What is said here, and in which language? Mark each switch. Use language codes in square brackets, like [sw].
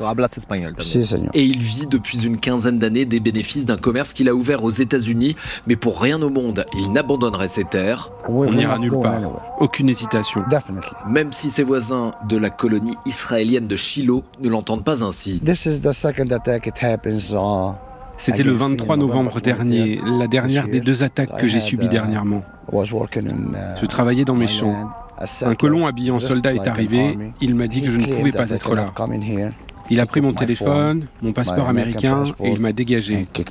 [es] Hablas espagnol, también. [fr] Et il vit depuis une quinzaine d'années des bénéfices d'un commerce qu'il a ouvert aux États-Unis. Mais pour rien au monde, il n'abandonnerait ses terres. On n'ira nulle part. Aucune hésitation. [en] Definitely. [fr] Même si ses voisins de la colonie israélienne de Shiloh ne l'entendent pas ainsi. [en] This is the second attack it happens on. [fr] C'était le 23 novembre dernier, la dernière des deux attaques que j'ai subies dernièrement. Je travaillais dans mes champs. Un colon habillé en soldat est arrivé. Il m'a dit que je ne pouvais pas être là. Il a pris mon téléphone, mon passeport américain et il m'a dégagé.